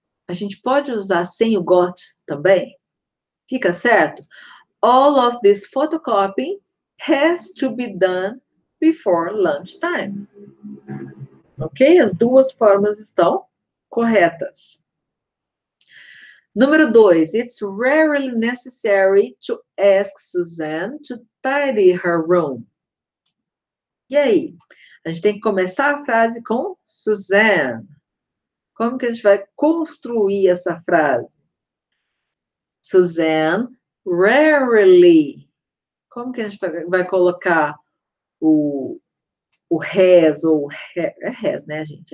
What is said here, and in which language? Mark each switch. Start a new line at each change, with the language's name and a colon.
Portuguese: A gente pode usar sem o got também? Fica certo?
English: All of this photocopying has to be done before lunchtime. Ok?
Portuguese: As duas formas estão corretas. Número 2.
English: It's rarely necessary to ask Suzanne to tidy her room.
Portuguese: E aí? A gente tem que começar a frase com Suzanne. Como que a gente vai construir essa frase?
English: Suzanne rarely.
Portuguese: Como que a gente vai colocar o has ou has, né, gente?